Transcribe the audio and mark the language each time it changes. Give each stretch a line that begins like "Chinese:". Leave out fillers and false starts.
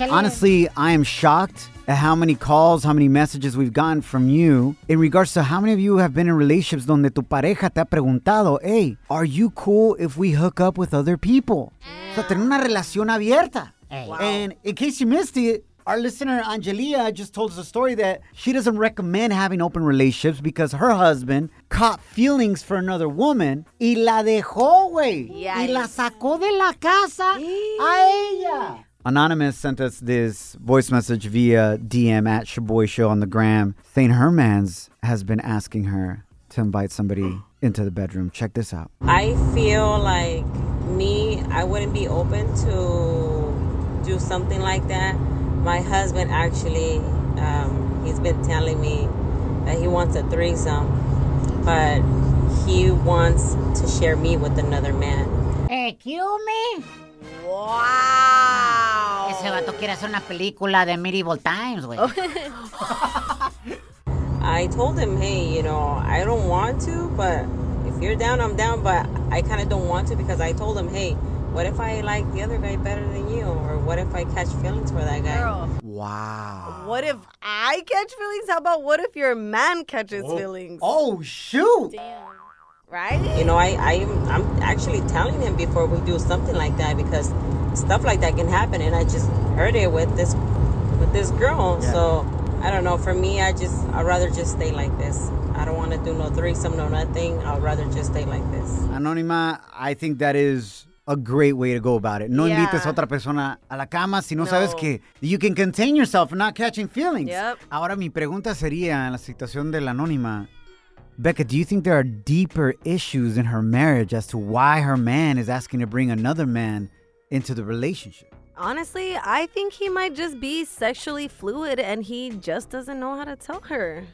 English: Honestly, I am shocked at how many calls, how many messages we've gotten from you in regards to how many of you have been in relationships
Spanish: donde tu pareja te ha preguntado,
English: hey, are you cool if we hook up with other people?
Spanish: O sea, tener una relación abierta.
English: And in case you missed it, our listener, Angelia, just told us a story that she doesn't recommend having open relationships because her husband caught feelings for another woman
Spanish: y la dejó, güey. Y la sacó de la casa a ella.
English: Anonymous sent us this voice message via DM at Shoboy Show on the gram saying her man's has been asking her to invite somebody into the bedroom. Check this out. I feel like I wouldn't be open to do something like that. My husband actually, he's been telling me that he wants a threesome, but he wants to share me with another man. Excuse me? Wow.
Spanish: Ese vato quiere hacer una película de Medieval Times, güey.
English: I told him, hey, you know, I don't want to, but if you're down, I'm down, but I kind of don't want to because I told him, hey, what if I like the other guy better than you? Or what if I catch feelings for that guy? Girl. Wow. What if I catch feelings? How about what if your man catches feelings? Oh, shoot. Damn. Right? You know, I'm actually telling him before we do something like that because stuff like that can happen. And I just heard it with this girl. Yeah. So, I don't know. For me, I'd rather just stay like this. I don't want to do no threesome, no nothing. I'd rather just stay like this. Anonima, I think that is a great way to go about it. No yeah. invites
Spanish: otra persona a la cama si no sabes que
English: you can contain yourself not catching feelings. Yep.
Spanish: Ahora mi pregunta sería en la situación de la anónima.
English: Becca, do you think there are deeper issues in her marriage as to why her man is asking to bring another man into the relationship? Honestly, I think he might just be sexually fluid and he just doesn't know how to tell her.